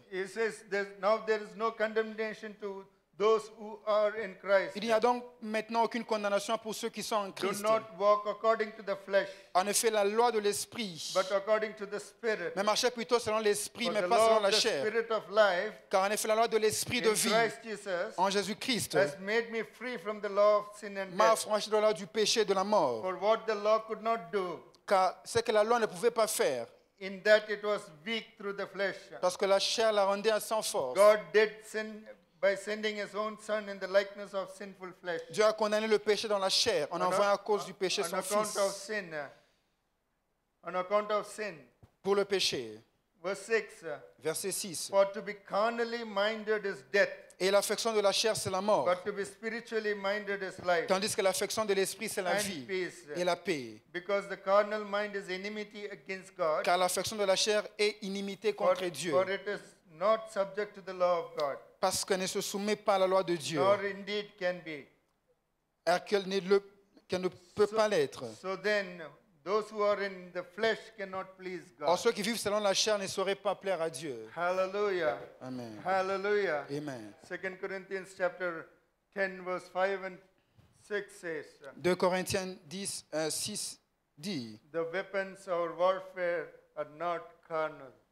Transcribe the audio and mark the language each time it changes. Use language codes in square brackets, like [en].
[en] It says now there is no condemnation to those who are in Christ. [fr] Il n'y a donc maintenant aucune condamnation pour ceux qui sont en Christ. [en] Do not walk according to the flesh. [fr] En effet, la loi de l'esprit. [en] But according to the spirit. [fr] Mais marcher plutôt selon l'esprit, [en] for [fr] mais pas selon la chair. [en] The spirit of life. [fr] Car en effet, la loi de l'esprit de vie. [en] Christ Jesus. [fr] En Jésus Christ. [en] Has made me free from the law of sin and death. [fr] M'a affranchi de la loi du péché et de la mort. [en] For what the law could not do. [fr] Car ce que la loi ne pouvait pas faire. [en] In that it was weak through the flesh. [fr] Parce que la chair la rendait sans force. [en] God did sin. By sending his own son in the likeness of sinful flesh. [fr] Dieu a condamné le péché dans la chair en envoyant à cause du péché son fils. [en] On account of sin. On account of sin. [fr] Pour le péché. Verset 6. [en] For to be carnally minded is death. [fr] Et l'affection de la chair c'est la mort. [en] But to be spiritually minded is life. [fr] Tandis que l'affection de l'esprit c'est la vie et la paix. [en] Because the carnal mind is enmity against God. [fr] Car l'affection de la chair est inimité contre Dieu. [en] For it is not subject to the law of God. [fr] Parce qu'elle ne se soumet pas à la loi de Dieu. [en] Nor indeed can be. [fr] Et qu'elle ne peut pas l'être. [en] So then, those who are in the flesh cannot please God. [fr] Or ceux qui vivent selon la chair ne sauraient pas plaire à Dieu. Hallelujah. Amen. Hallelujah. Amen. [en] 2 Corinthians chapter 10 verse 5 and 6 says. [fr] 2 Corinthiens 10, 6 dit. [en] The weapons of warfare are not carnal.